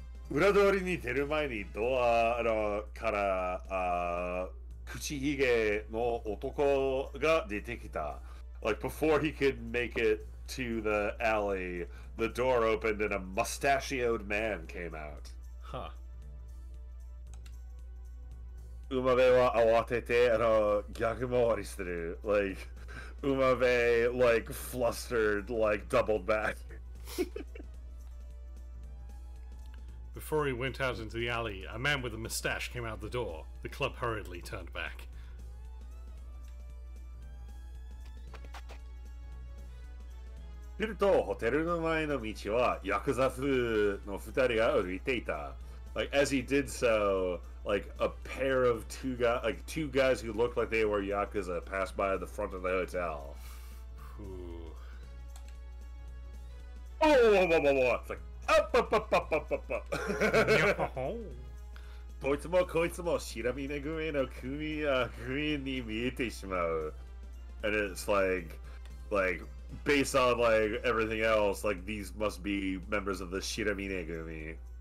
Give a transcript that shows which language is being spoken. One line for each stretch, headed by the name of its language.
Japanese: 裏通りに出る前にドアのから口ひげの男が出てきた。
English: Like before he could make it to the alley, the door opened and a mustachioed man came out. Huh.
Japanese: 馬部は慌てて逆回りする。
English: Like 馬部 like flustered, like doubled back. Before he went out into the alley, a man with a mustache came out the door. The club hurriedly turned back.
Japanese: すると、ホテルの前の道はヤクザ風の二人が歩いていた。
English: Like, as he did so, like, a pair of two guys who looked like they were Yakuza passed by the front of the hotel. Ooh. Oh, whoa, whoa, whoa, whoa. It's like, up, up, up, up, up, up, up.
Japanese: こいつもこいつもシラミネ組の組員に見えてしまう。
English: And it's like, based on like everything else, like these must be members of the シラミネ組。